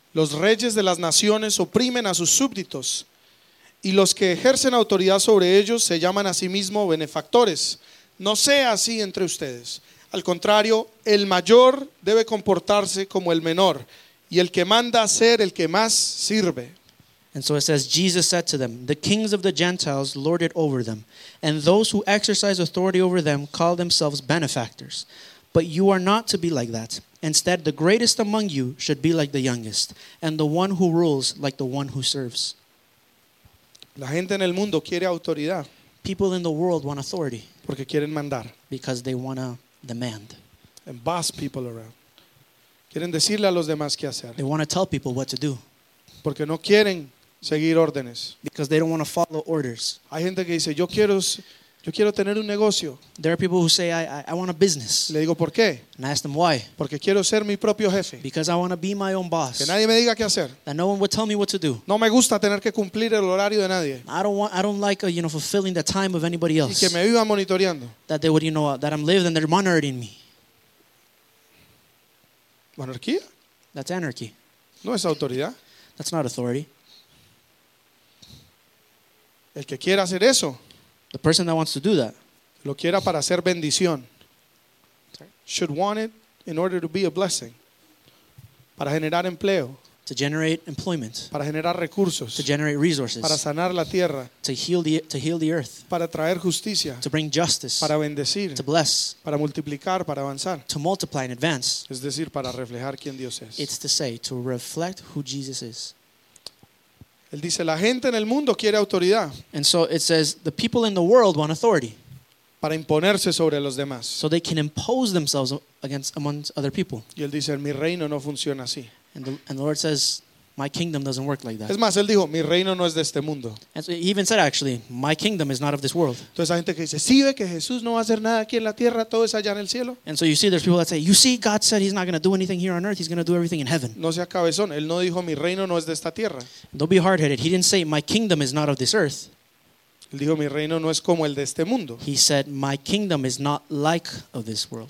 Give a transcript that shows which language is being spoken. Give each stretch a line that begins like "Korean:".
Spanish: Los reyes de las naciones oprimen a sus súbditos, y los que ejercen autoridad sobre ellos se llaman a sí mismos benefactores. No sea así entre ustedes. Al contrario, el mayor debe comportarse como el menor, Y el que manda hacer, el que más sirve.
English: And so it says, Jesus said to them, the kings of the Gentiles lord it over them, and those who exercise authority over them call themselves benefactors. But you are not to be like that. Instead, the greatest among you should be like the youngest, and the one who rules like the one who serves.
Spanish: La gente en el mundo quiere autoridad.
English: People in the world want authority.
Spanish: Porque quieren mandar.
English: Because they want to demand. And boss people around.
Spanish: Quieren decirle a los demás qué hacer.
English: They want to tell people what to do.
Spanish: Porque no quieren seguir órdenes.
English: Because they don't want to follow orders.
Spanish: Hay gente que dice, yo quiero tener un negocio.
English: There are people who say, I want a business.
Spanish: Le digo, ¿por qué?
English: And I ask them why.
Spanish: Porque quiero ser mi propio jefe.
English: Because I want to be my own boss.
Spanish: Que nadie me diga qué hacer.
English: That no one would tell me what to do.
Spanish: No me gusta tener que cumplir el horario de nadie.
English: I don't like fulfilling the time of anybody else.
Spanish: Y que me viva monitoreando.
English: That they would, that I'm lived and they're monitoring me.
Spanish: ¿Anarquía?
English: That's anarchy.
Spanish: No es autoridad.
English: That's not authority.
Spanish: El que quiera hacer eso.
English: The person that wants to do that.
Spanish: Lo quiera para hacer bendición.
English: Should want it in order to be a blessing.
Spanish: Para generar empleo.
English: To generate employment.
Spanish: Para generar recursos.
English: To generate resources.
Spanish: Para sanar la tierra.
English: To heal the earth.
Spanish: Para traer justicia.
English: To bring justice.
Spanish: Para bendecir.
English: To bless.
Spanish: Para multiplicar, para avanzar.
English: To multiply and advance.
Spanish: Es decir, para reflejar quién Dios es.
English: It's to say, to reflect who Jesus is.
Spanish: Él dice, la gente en el mundo quiere autoridad.
English: And so it says, the people in the world want authority.
Spanish: Para imponerse sobre los demás.
English: So they can impose themselves amongst other people.
Spanish: Y él dice, mi reino no funciona así.
English: And the Lord says, my kingdom doesn't work like that.
Spanish: Es más, él dijo, mi reino no es de este mundo.
English: And so he even said, actually, my kingdom is not of this world.
Spanish: Entonces hay gente que dice, sí ve que Jesús no va a hacer nada aquí en la tierra, todo es allá en el cielo.
English: And so you see, there's people that say, you see, God said he's not going to do anything here on earth, he's going to do everything in heaven.
Spanish: No sea cabezón, él no dijo, mi reino no es de esta tierra.
English: Don't be hard-headed, he didn't say, my kingdom is not of this earth.
Spanish: Él dijo, mi reino no es como el de este mundo.
English: He said, my kingdom is not like of this world.